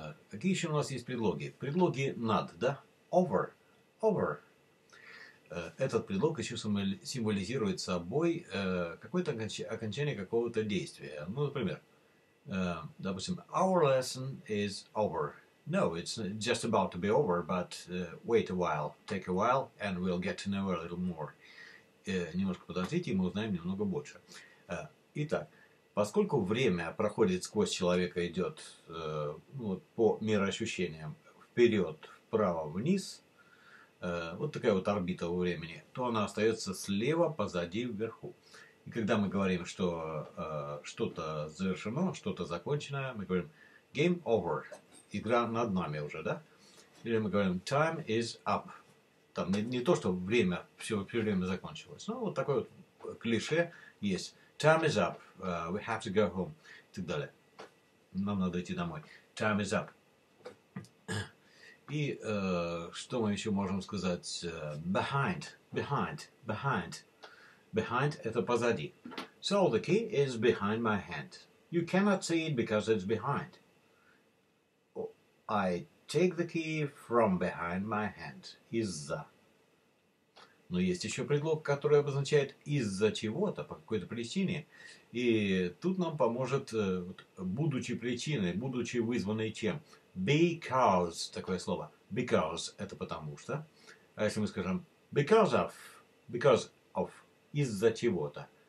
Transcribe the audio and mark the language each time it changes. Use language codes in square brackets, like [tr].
[ru] Какие еще у нас есть предлоги? Предлоги над, да? [en] Over. Over. [ru] Этот предлог еще символизирует собой какое-то окончание какого-то действия. Ну, например, допустим, [en] our lesson is over. No, it's just about to be over, but wait a while. Take a while, and we'll get to know a little more. [ru] Немножко подождите, и мы узнаем немного больше. Итак, поскольку время проходит сквозь человека, идет по мироощущениям вперед, вправо, вниз, вот такая вот орбита у времени, то она остается слева, позади, вверху. И когда мы говорим, что что-то завершено, что-то закончено, мы говорим [en] game over, [ru] игра над нами уже, да? Или мы говорим [en] time is up. [ru] Там не то, что время, все время закончилось, но вот такое вот клише есть. [en] Time is up. We have to go home. [ru] И так далее. Нам надо идти домой. [en] Time is up. [ru] И что мы еще можем сказать? [en] Behind. Behind [ru] – это позади. [en] So the key is behind my hand. You cannot see it because it's behind. I take the key from behind my hand. [ru] Из-за. Но есть еще предлог, который обозначает из-за чего-то, по какой-то причине. И тут нам поможет, будучи причиной, будучи вызванной чем. Because, такое слово. Because, это потому что. А если мы скажем because of, из-за чего-то.